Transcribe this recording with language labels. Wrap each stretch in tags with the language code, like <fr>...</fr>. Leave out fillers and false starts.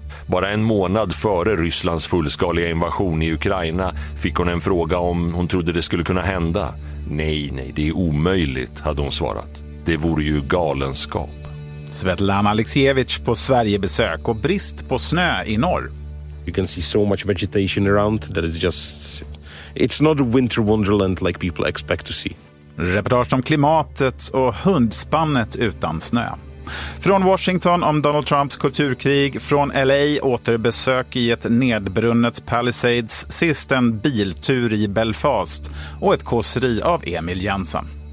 <sv>Bara en månad före Rysslands fullskaliga invasion i Ukraina fick hon en fråga om hon trodde det skulle kunna hända. Nej, nej, det är omöjligt, hade hon svarat. Det vore ju galenskap. Svetlana Alexievich på Sverigebesök och brist på snö i norr.</sv> <en>You can see so much vegetation around that it's just... It's not a winter wonderland like people expect to see.</en> <sv>Reportage om klimatet och hundspannet utan snö. Från Washington om Donald Trumps kulturkrig. Från LA återbesök i ett nedbrunnet Palisades. Sist en biltur i Belfast. Och ett kåseri av Emil Jensen.</sv>